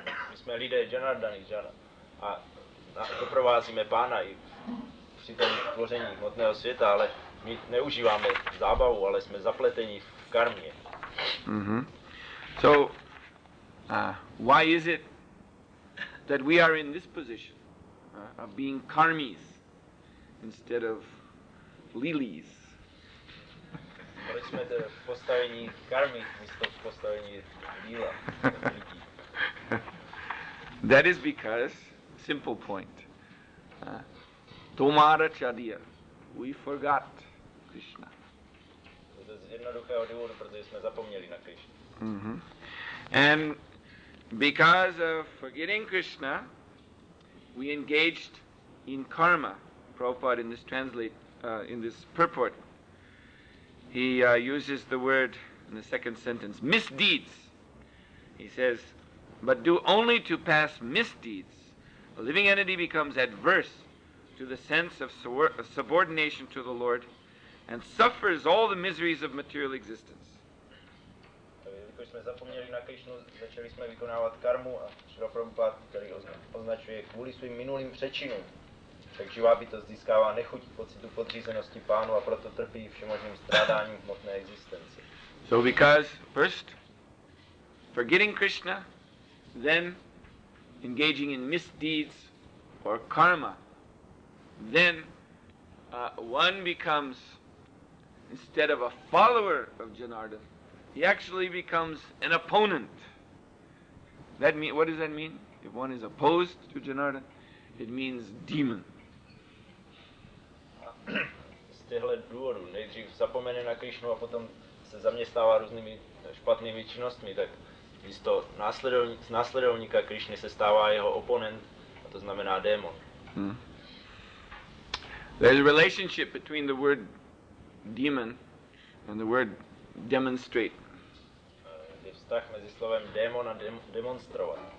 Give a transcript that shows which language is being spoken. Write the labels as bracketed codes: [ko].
[cs] My jsme lidé Janardany, Jana, a doprovázíme pána i při tom tvoření hmotného světa, ale my neužíváme zábavu, ale jsme zapleteni v karmě. [en] So, why is it that we are in this position of being karmis instead of lilies? [cs] Proč jsme teda v postavení karmi místo v postavení lila? [en] That is because, simple point, tomara chadiya, we forgot Krishna. [cs] To je jednoduchého důvodu, protože jsme zapomněli na Krishna. [en] And because of forgetting Krishna, we engaged in karma. Prabhupada in this translate, in this purport, he uses the word in the second sentence, misdeeds. He says, but do only to pass misdeeds, a living entity becomes adverse to the sense of subordination to the Lord and suffers all the miseries of material existence. [cs] Když jsme zapomněli na Krišnu, začali jsme vykonávat karmu a Šrila Prabhupád, který označuje kvůli svým minulým přečinům, tak živá bytost získává nechuť pocitu podřízenosti pánu a proto trpí všemožným strádáním v hmotné existenci. [en] So because, first, forgetting Krishna, then engaging in misdeeds or karma, then one becomes, instead of a follower of Janardana, he actually becomes an opponent. That mean, what does that mean? If one is opposed to Janardana, it means demon. [cs] Z téhle důvodu, nejdřív zapomene na Krišnu a potom se zaměstnává různými špatnými činnostmi, tak místo následovníka Krišny se stává jeho oponent, a to znamená démon. [en] There is a relationship between the word demon and the word demonstrate. [cs] Je vztah mezi slovem démon a demonstrovat.